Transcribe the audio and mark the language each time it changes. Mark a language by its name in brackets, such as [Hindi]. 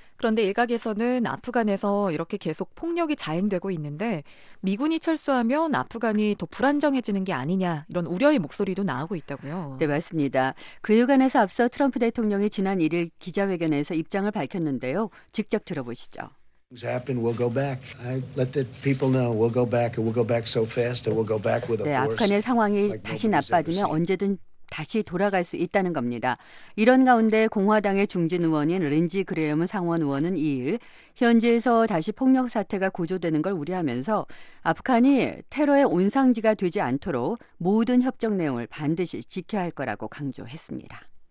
[Korean] 그런데 일각에서는 아프간에서 이렇게 계속 폭력이 자행되고 있는데 미군이 철수하면 아프간이 더 불안정해지는 게 아니냐 이런 우려의 목소리도 나오고 있다고요. 네, 맞습니다. 그간에서 앞서 트럼프 대통령이 지난 1일 기자회견에서 입장을 밝혔는데요. 직접 들어보시죠. [English] Happen, we'll go back. I let the people know we'll go back and we'll go back so fast and we'll go back with a force. [Korean] 네, 아프간의 상황이 다시 나빠지면 언제든 다시 돌아갈 수 있다는 겁니다. 이런 가운데 공화당의 중진 의원인 린지 그레엄 상원 의원은 2일 현지에서 다시 폭력 사태가 고조되는 걸 우려하면서 아프간이 테러의 온상지가 되지 않도록 모든 협정 내용을 반드시 지켜야 할 거라고 강조했습니다.